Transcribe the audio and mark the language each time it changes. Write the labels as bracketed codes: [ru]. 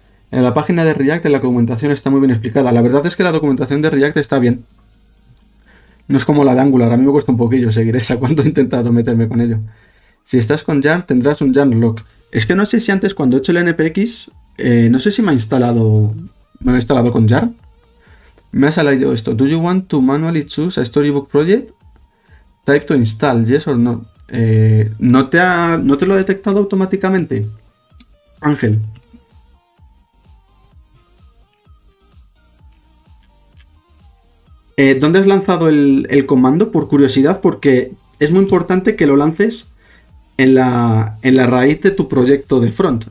[es] En la página de React la documentación está muy bien explicada. La verdad es que la documentación de React está bien. No es como la de Angular, a mí me cuesta un poquillo seguir esa cuando he intentado meterme con ello. Si estás con Yarn, tendrás un Yarn lock. Es que no sé si antes, cuando he hecho el NPX, no sé si me he instalado con Yarn. Me ha salido esto. [en] Do you want to manually choose a storybook project? Type to install, yes or no. [es] ¿No te lo ha detectado automáticamente, Ángel? ¿Dónde has lanzado el comando? Por curiosidad, porque es muy importante que lo lances en la raíz de tu proyecto de front.